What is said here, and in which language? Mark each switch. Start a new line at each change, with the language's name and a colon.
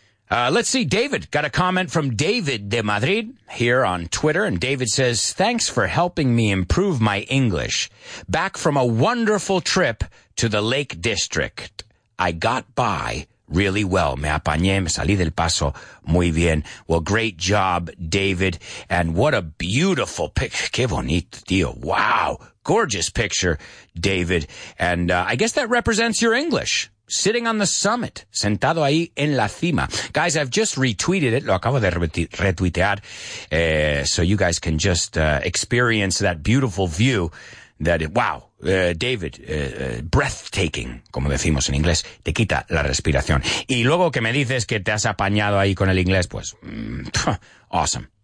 English: Let's see, David got a comment from David de Madrid here on Twitter, and David says, thanks for helping me improve my English. Back from a wonderful trip to the Lake District, I got by really well.
Spanish: Me apañé, me salí del paso muy bien.
English: Well, great job, David. And what a beautiful picture.
Spanish: Qué bonito, tío.
English: Wow. Gorgeous picture, David. And I guess that represents your English. Sitting on the summit.
Spanish: Sentado ahí en la cima.
English: Guys, I've just retweeted it.
Spanish: Lo acabo de retuitear.
English: So you guys can just experience that beautiful view.
Spanish: Breathtaking, como decimos en inglés, te quita la respiración. Y luego que me dices que te has apañado ahí con el inglés, pues, awesome.